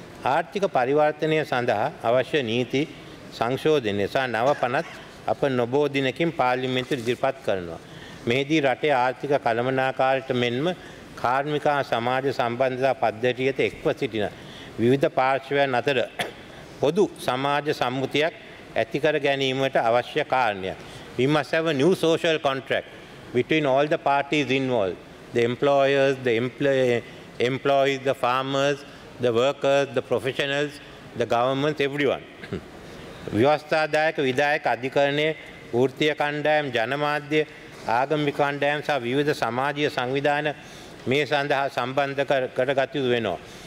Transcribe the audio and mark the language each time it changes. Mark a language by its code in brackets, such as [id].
[si] ආර්ථික පරිවර්තනය සඳහා අවශ්‍ය නීති සංශෝධනය සහ නව පනත් අප නොබෝ දිනකින් පාර්ලිමේන්තුවේ ඉදිරිපත් කරනවා. මෙහිදී රටේ ආර්ථික කළමනාකාරීට මෙන්ම කාර්මික හා සමාජ සම්බන්ධතා පද්ධතියට එක්ව සිටින විවිධ පාර්ශ්වයන් අතර පොදු සමාජ සම්මුතියක් ඇතිකර ගැනීමට අවශ්‍ය කාරණයක්. [en] We must have a new social contract between all the parties involved, the employers, the employees, the farmers, the workers, the professionals, the government, everyone. [si] ව්‍යවස්ථාදායක විධායක අධිකරණයේ වෘත්තීය කණ්ඩායම්, ජනමාධ්‍ය, ආගමික කණ්ඩායම් සහ විවිධ සමාජීය සංවිධාන මේ සඳහා සම්බන්ධ කරගත යුතු වෙනවා.